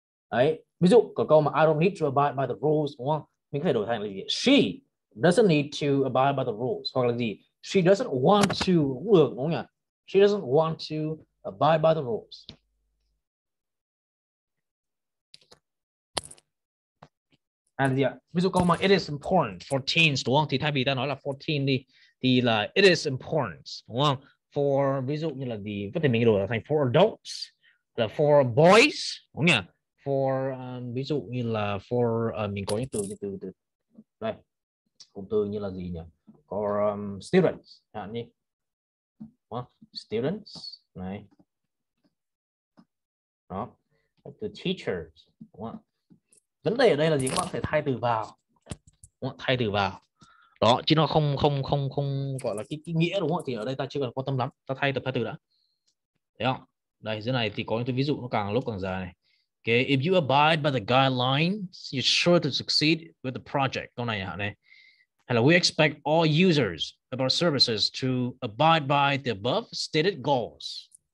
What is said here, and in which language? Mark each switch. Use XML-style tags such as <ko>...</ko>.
<vi>Đấy, ví dụ có câu mà</vi> <en>I don't need to abide by the rules,</en> <vi>đúng không? Mình có thể đổi thành là gì?</vi> <en>She doesn't need to abide by the rules.</en> <vi>Hoặc là gì?</vi> <en>She doesn't want to,</en> <vi>cũng được, đúng không nhỉ?</vi> <en>She doesn't want to abide by the rules.</en> <vi>And yeah, ví dụ câu mà</vi> <en>it is important for teens,</en> <vi>đúng không? Thì thay vì ta nói là 14 đi, thì là</vi> <en>it is important,</en> <vi>đúng không? For ví dụ như là gì, có thể mình đổi thành</vi> <en>for adults,</en> <vi>là</vi> <en>for boys,</en> <vi>đúng không nhỉ? For ví dụ như là for mình có những từ Đây, cụm từ như là gì nhỉ? Có students, hạn như. Students, này. Đó, từ teachers. Đúng không? Vấn đề ở đây là gì? Các bạn phải thay từ vào. Đúng không? Thay từ vào. Đó, chứ nó không không không không gọi là cái nghĩa đúng không? Thì ở đây ta chưa cần quan tâm lắm. Ta thay từ đã. Thấy không? Đây, dưới này thì có những ví dụ nó càng lúc càng dài này.</vi> <en>Okay. If you abide by the guidelines, you're sure to succeed with the project.</en> <vi>Câu này hả?</vi> <en>Hello, we expect all users of our services to abide by the above stated goals.</en>